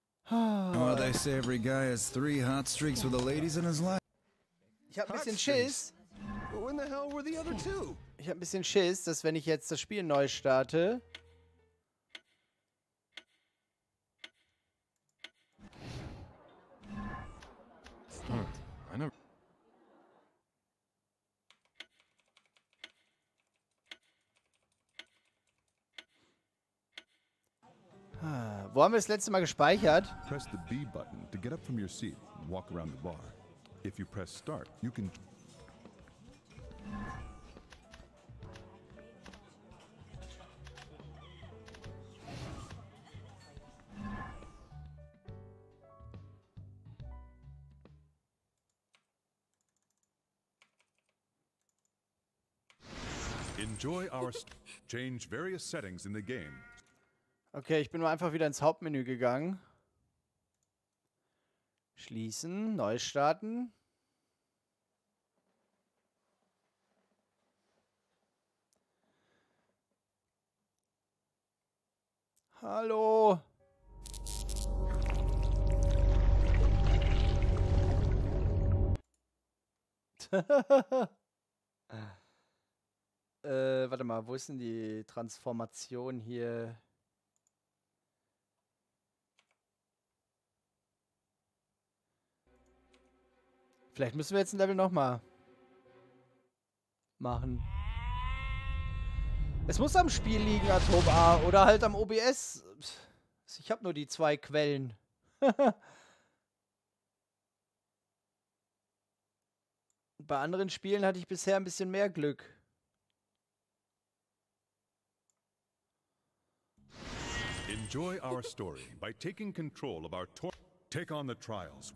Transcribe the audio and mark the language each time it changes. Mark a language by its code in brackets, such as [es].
[en] Oh, they say every guy has 3 hot streaks with the ladies in his life. [de] Ich hab ein bisschen Schiss. [en] When the hell were the other two? [de] Ich hab ein bisschen Schiss, dass wenn ich jetzt das Spiel neu starte. Wo haben wir das letzte Mal gespeichert? [en] Press the B button to get up from your seat and walk around the bar. If you press start, you can. Enjoy our change various settings in the game. [de] Okay, ich bin nur einfach wieder ins Hauptmenü gegangen. Schließen, neu starten. Hallo. warte mal, wo ist denn die Transformation hier? Vielleicht müssen wir jetzt ein Level nochmal machen. Es muss am Spiel liegen, Atom A. Oder halt am OBS. Ich habe nur die 2 Quellen. Bei anderen Spielen hatte ich bisher ein bisschen mehr Glück. [en] Enjoy our story by taking control of our tor- Take on the trials.